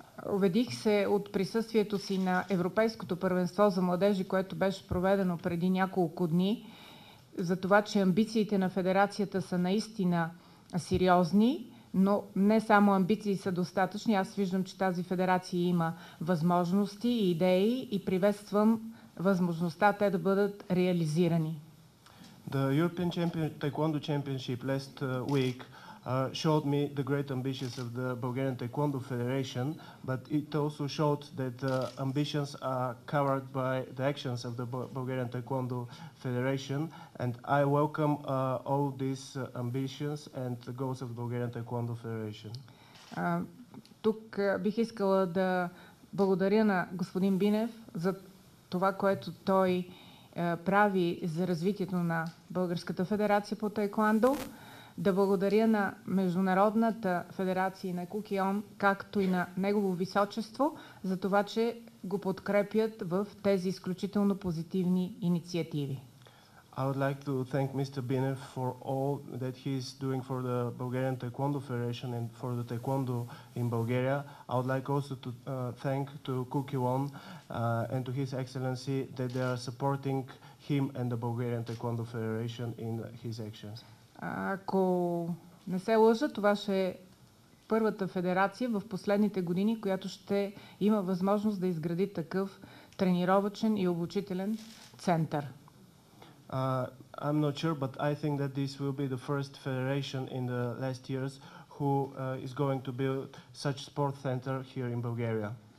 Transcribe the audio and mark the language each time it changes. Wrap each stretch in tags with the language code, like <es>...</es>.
<bg>Убедих се от присъствието си на Европейското първенство за младежи, което беше проведено преди няколко дни, за това, че амбициите на федерацията са наистина сериозни, но не само амбиции са достатъчни. Аз виждам, че тази федерация има възможности и идеи и приветствам възможността те да бъдат реализирани.</bg> <en>The European Taekwondo Championship last week showed me the great ambitions of the Bulgarian Taekwondo Federation, but it also showed that the ambitions are covered by the actions of the Bulgarian Taekwondo Federation, and I welcome all these ambitions and the goals of the Bulgarian Taekwondo Federation.</en> <bg>Тук бих искала да благодаря на господин Бинев за това, което той прави за развитието на Българската федерация по Taekwondo. Да благодаря на Международната федерация на Кукион, както и на негово височество, за това, че го подкрепят в тези изключително позитивни инициативи.</bg> <en>I would like to thank Mr. Binev for all that he is doing for the Bulgarian Taekwondo Federation and for the Taekwondo in Bulgaria. I would like also to thank to Kukilon and to His Excellency that they are supporting him and the Bulgarian Taekwondo Federation in his actions.</en> <bg>Ако не се лъжа, това ще е първата федерация в последните години, която ще има възможност да изгради такъв тренировъчен и обучителен център.</bg> <en>I'm not sure, but I think that this will be the first federation in the last years who is going to build such sport center here in Bulgaria.</en>